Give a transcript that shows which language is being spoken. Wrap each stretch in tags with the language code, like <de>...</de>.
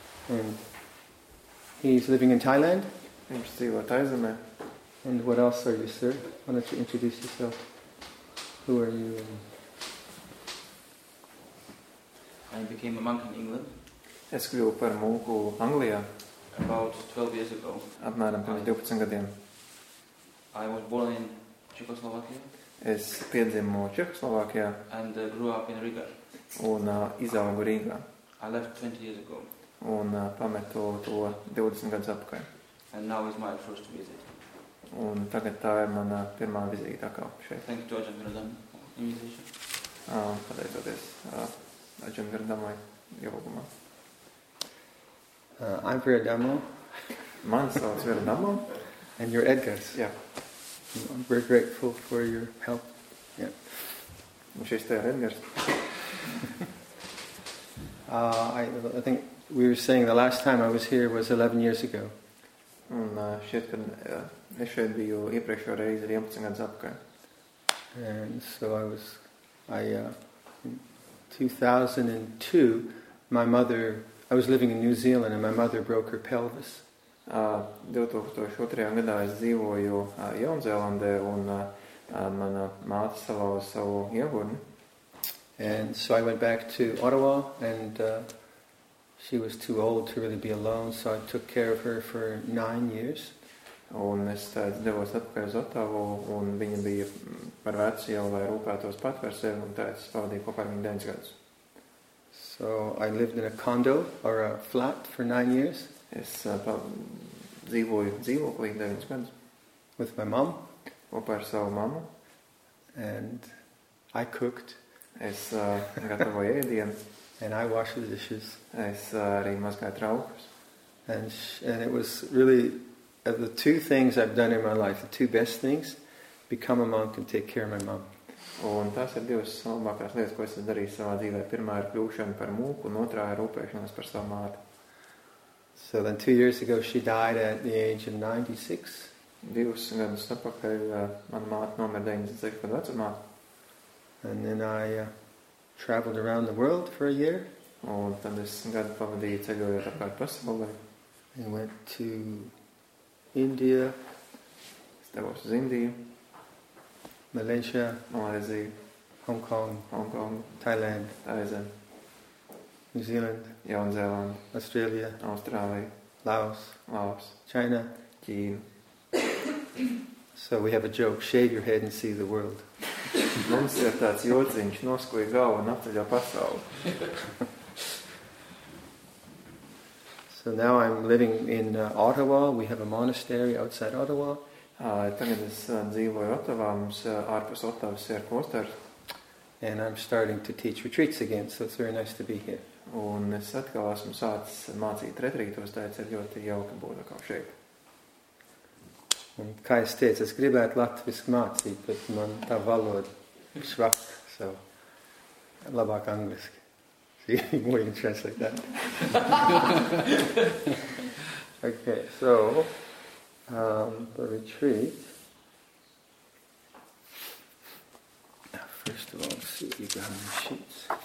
<en>And he's living in Thailand. I'm still in Thailand. And what else are you, sir? Why don't you introduce yourself? Who are you? I became a monk in England.</en> <lv>Es kļuvu par monku Anglijā.</lv> <en>About 12 years ago.</en> <lv>Apmēram pirms 12 gadiem.</lv> <en>I was born in Czechoslovakia.</en> <lv>Es piedzimu Čehoslovākijā.</lv> <en>And grew up in Riga.</en> <lv>Un izaugu Rīgā.</lv> <en>I left 20 years ago.</en> <lv>Un pametu to 20 gadus atpakaļ.</lv> <en>And now is my first visit.</en> <lv>Un tagad tā ir mana pirmā vizīte atkal šeit.</lv> <en>Thank you to Ajahn Mirdam, invitation.</en> <lv>Pateicoties Ajahn Mirdamai ievogumā.</lv> <en>I'm Viradamo.</en> <lv>Mans sauc Viradamo.</lv> <en>And you're Edgars. Yeah. We're grateful for your help. Yeah.</en> <lv>Šis te ir Edgars.</lv> <en>I think we were saying the last time I was here was 11 years ago.</en> <lv>Un šeit, kad es šeit biju iepriekšējo reizi 11 gadus atpakaļ.</lv> <en>And so I was, in 2002, my mother, I was living in New Zealand and my mother broke her pelvis.</en> <lv>2002. Gadā es dzīvoju Jaunzēlandē un mana māte salauza savu iegurni.</lv> <en>And so I went back to Ottawa and she was too old to really be alone, so I took care of her for 9 years.</en> <lv>Un es devos atpakaļ uz Ottawa un viņa bija par veci jau, lai rūpētos pat par sevi, un tāpēc es pavadīju kopā ar viņu 9 gadus.</lv> <en>So I lived in a condo or a flat for 9 years.</en> <lv>Es dzīvoju dzīvoklī 9 gadus.</lv> <en>With my mom.</en> <lv>Kopā ar savu mammu.</lv> <en>And I cooked.</en> <lv>Es gatavoju ēdienu.</lv> <en>And I washed the dishes.</en> <lv>Es arī mazgāju traukus.</lv> <en>And it was really the two things I've done in my life, the two best things, become a monk and take care of my mom.</en> <lv>Un tās ir divas labākās lietas, ko es esmu darījis savā dzīvē. Pirmā ir kļūšana par mūku, un otrā ir rūpēšanās par savu māti.</lv> <en>So then 2 years ago she died at the age of 96.</en> <lv>Divus gadus atpakaļ mana māte nomira 96 gadu vecumā.</lv> <en>And then I traveled around the world for a year.</en> <lv>Un tad es gadu pavadīju ceļojot apkārt pasaulē.</lv> <en>And went to India.</en> <lv>Es devos uz Indiju.</lv> <en>Malaysia. Malaysia. Hong Kong. Hong Kong. Thailand. Thailand. New Zealand.</en> <lv>Jaun Zeeland.</lv> <en>Australia. Australia. Laos. Laos. China. China. So we have a joke, shave your head and see the world.</en> <lv>Mums ir tāds jodziņš, noskoja galva un apceļo pasauli.</lv> <en>So now I'm living in Ottawa. We have a monastery outside Ottawa.</en> <lv>Tagad es dzīvoju Ottawā. Mums ārpus Ottavas ir klosters.</lv> <en>And I'm starting to teach retreats again, so it's very nice to be here.</en> <lv>Un es atkal esmu sācis mācīt retrītos, tāpēc ir ļoti jauki būt atkal šeit. Un kā es teicu, es gribētu latvisku mācīt, bet man tā valoda švak, so labāk angliski.</lv> <en>See, more you can translate that. Okay, so the retreat. First of all, let's see what you've got on your sheets.</en>